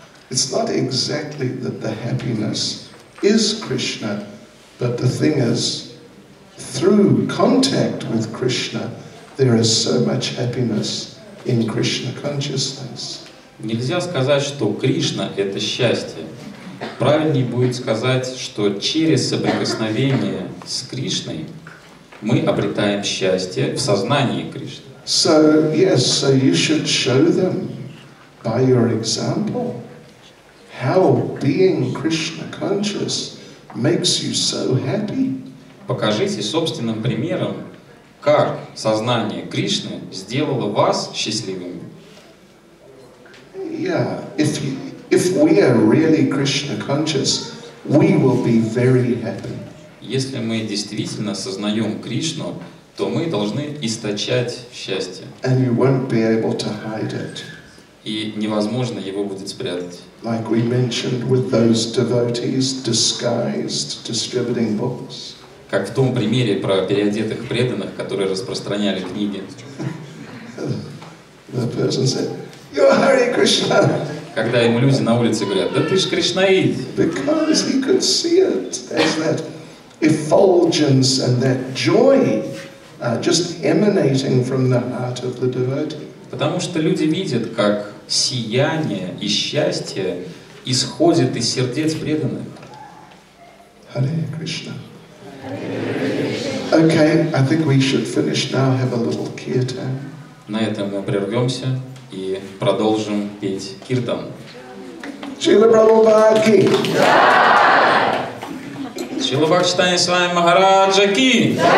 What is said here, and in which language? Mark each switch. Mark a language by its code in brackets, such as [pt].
[en] It's not exactly that the happiness is Krishna, but the thing is, through contact with Krishna, there is so much happiness in Krishna consciousness. [ru] Нельзя сказать, что Кришна — это счастье. Правильнее будет сказать, что через соприкосновение с Кришной мы обретаем счастье в сознании Кришны. [en] So, yes, so you should show them by your example how being Krishna conscious makes you so happy. [ru] Покажите собственным примером, как сознание Кришны сделало вас счастливыми. [en] Yeah, if we are really Krishna conscious, we will be very happy. [ru] Если мы действительно сознаем Кришну, то мы должны источать счастье. [en] And you won't be able to hide it. [ru] И невозможно его будет спрятать. [en] Like we mentioned with those devotees disguised distributing books. [ru] Как в том примере про переодетых преданных, которые распространяли книги. [en] The person said, "You're Hare Krishna." [ru] Когда ему люди на улице говорят, да ты ж Кришнаид. [en] Because he could see it as that effulgence and that joy just emanating from the heart of the devotee. [ru] Потому что люди видят, как сияние и счастье исходит из сердец преданных. [en] Hare Krishna. Okay, I think we should finish now, have a little kirtan. [ru] На этом мы прервемся и продолжим петь киртан. Шрила Прабхупада ки. Шрила Бхактистани Свами Махараджа ки.